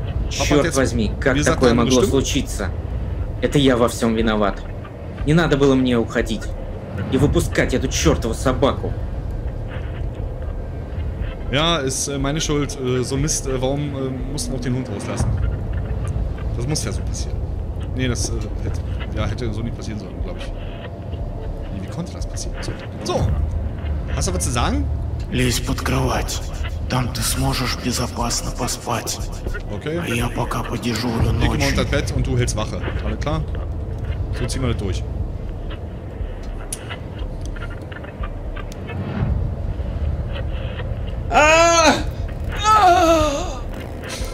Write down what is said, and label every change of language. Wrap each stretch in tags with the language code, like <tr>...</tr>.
<ru>Черт возьми, как такое могло случиться? Это я во всем виноват. Не надо было мне уходить. И выпускать эту чертову собаку.</ru> <de>Ja, ist meine Schuld. So Mist, warum mussten wir auch den Hund rauslassen? Das muss ja so passieren. Nee, das hätte so nicht passieren sollen, glaube ich. Konnte das passieren. So. Hast du was zu sagen?</de> <ru>Lies под кровать. Там ты сможешь безопасно поспать.</ru> <de>Okay.</de> <ru>А я пока подежурю ночью.</ru> <de>Ich komme unter das Bett und du hältst Wache. Alles klar? So ziehen wir das durch. Ah!</de>